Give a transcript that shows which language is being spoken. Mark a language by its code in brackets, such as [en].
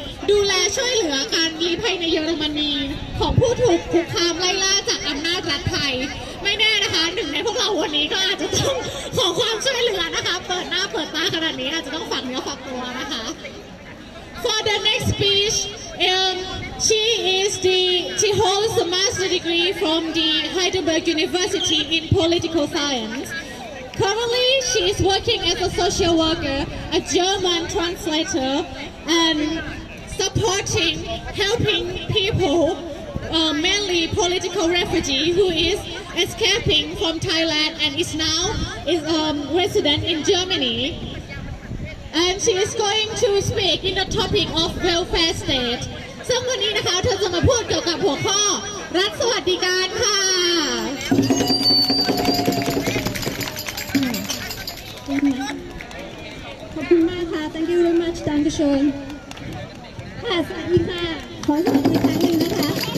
[th] ดูแลช่วยเหลือการลี้ภัยในเยอรมนีของผู้ถูกคุกคามไล่ล่าจากอำนาจรัฐไทยไม่แน่นะคะหนึ่งในพวกเราวันนี้ก็อาจจะต้องขอความช่วยเหลือนะคะเปิดหน้าเปิดตาขนาดนี้อาจจะต้องฝากเนื้อฝากตัวนะคะ [en] For the next speechShe is she holds a master's degree from the Heidelberg University in political science. Currently, she is working as a social worker, a German translator, and helping people, mainly political refugee who is escaping from Thailand and is now resident in Germany. And she is going to speak in the topic of welfare state. [th] ซึ่งวันนี้นะคะเธอจะมาพูดเกี่ยวกับหัวข้อรัฐสวัสดิการค่ะ ขอบคุณมากค่ะ [en] thank you very much [th] ดังกระชอนค่ะสวัสดีค่ะขอสวัสดีครั้งหนึ่งนะคะ